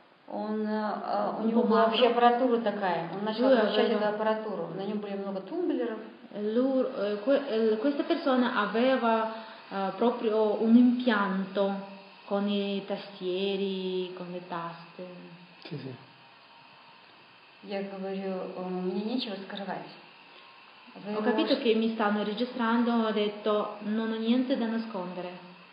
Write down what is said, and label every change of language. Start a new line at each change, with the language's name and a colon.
Russian: У него была вообще аппаратура такая. Он начал включать эту аппаратуру. На нем были много тумблеров.
Italian: Questa persona aveva proprio un impianto con i tastieri, con le taste.
Russian: Я говорю, мне нечего скрывать.
Italian: Ho capito che mi stanno registrando, ho detto non ho niente da nascondere.